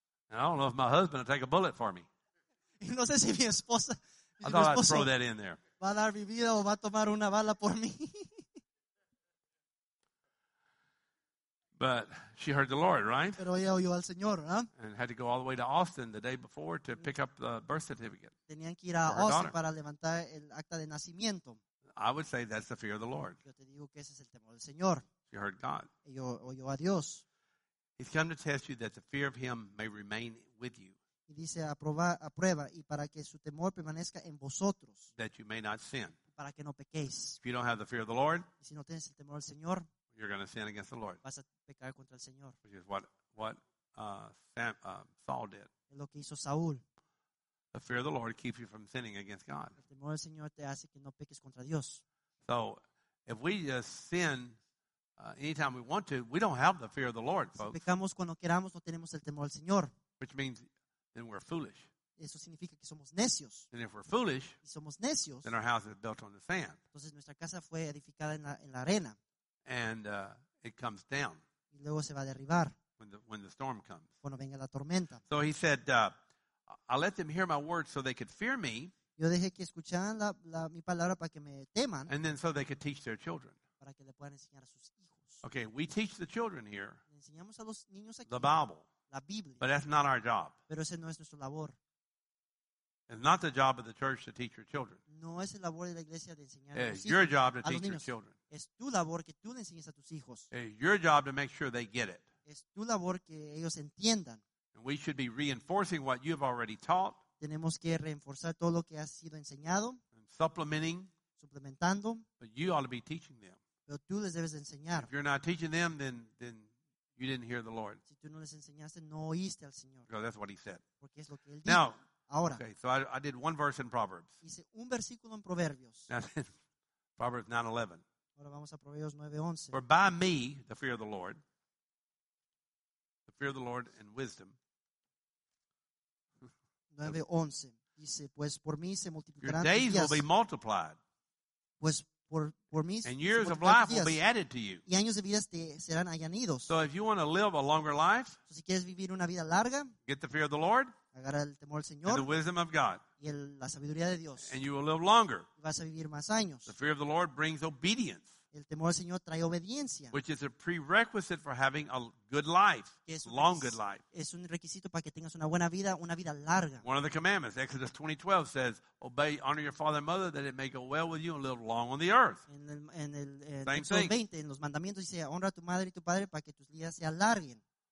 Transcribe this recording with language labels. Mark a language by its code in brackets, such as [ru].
[en] And I don't know if my husband will take a bullet for me. [es] Y no sé si mi esposa, [en] I thought I'd throw that in there. [es] Va a dar mi vida o va a tomar una bala por mí. [en] But she heard the Lord, right? [es] Pero ella oyó al Señor, ¿eh? [en] And had to go all the way to Austin the day before to pick up the birth certificate. [es] Tenían que ir a Austin para levantar el acta de nacimiento. [en] I would say that's the fear of the Lord. [es] Yo te digo que ese es el temor del Señor. [en] She heard God. [es] Ella oyó a Dios. [en] He's come to test you that the fear of him may remain with you. [es] Y dice, a prueba, y para que su temor permanezca en vosotros. [en] That you may not sin. [es] Para que no pequéis. [en] If you don't have the fear of the Lord, [es] y si no tienes el temor del Señor, [en] you're going to sin against the Lord. [es] Vas a pecar contra el Señor. [en] Which is what Saul did. [es] Es lo que hizo Saúl. [en] The fear of the Lord keeps you from sinning against God. [es] El temor del Señor te hace que no peques contra Dios. [en] So, if we just sin anytime we want to, we don't have the fear of the Lord, folks. [es] Si pecamos cuando queramos, no tenemos el temor del Señor. [en] Which means, then we're foolish. [es] Eso significa que somos necios. [en] And if we're foolish, [es] y somos necios, [en] then our house is built on the sand. [es] Entonces nuestra casa fue edificada en la arena. [en] And it comes down. [es] Y luego se va a derribar. [en] When the storm comes. [es] Cuando venga la tormenta. [en] So he said, I let them hear my words so they could fear me. [es] Yo dejé que escucharan mi palabra para que me teman. [en] And then so they could teach their children. [es] Para que le puedan enseñar a sus hijos. [en] Okay, we teach the children here. [es] Le enseñamos a los niños aquí. [en] The Bible. [es] La Biblia. [en] But that's not our job. [es] Pero ese no es nuestro labor. [en] It's not the job of the church to teach your children. [es] No es el labor de la iglesia de enseñar a los [en] It's your job to teach your children. [es] Es tu labor que tú le enseñes a tus hijos. [en] It's your job to make sure they get it. [es] Es tu labor que ellos entiendan. [en] And we should be reinforcing what you've already taught. [es] Tenemos que reforzar todo lo que ha sido enseñado. [en] And supplementing. [es] Suplementando. [en] But you ought to be teaching them. [es] Pero tú les debes de enseñar. [en] If you're not teaching them, then you didn't hear the Lord. [es] Si tú no les enseñaste, no oíste al Señor. [en] Because that's what he said. [es] Porque es lo que él dijo. [en] Now, [es] ahora, [en] okay, so I did one verse in Proverbs. [es] Hice un versículo en Proverbios. [en] Proverbs 9:11. [es] Ahora vamos a Proverbios 9:11. [en] For by me, the fear of the Lord, the fear of the Lord and wisdom. [es] 9:11. Dice, pues por mí se multiplicarán días. [en] Your days will be multiplied. [es] Pues por mí [en] and years of life will be added to you. [es] Y años de vida te serán añadidos. [en] So if you want to live a longer life, [es] so si quieres vivir una vida larga, [en] get the fear of the Lord [es] agarra el temor del Señor, [en] and the wisdom of God. [es] Y la sabiduría de Dios. [en] And you will live longer. [es] Y vas a vivir más años. [en] The fear of the Lord brings obedience. [es] El temor del Señor trae obediencia. [en] Which is a prerequisite for having a good life. Long good life. [es] Es un requisito para que tengas una buena vida, una vida larga. [en] One of the commandments, Exodus 20:12 says, obey, honor your father and mother that it may go well with you and live long on the earth. [es] En los mandamientos dice, honra a tu madre y tu padre para que tus días se alarguen.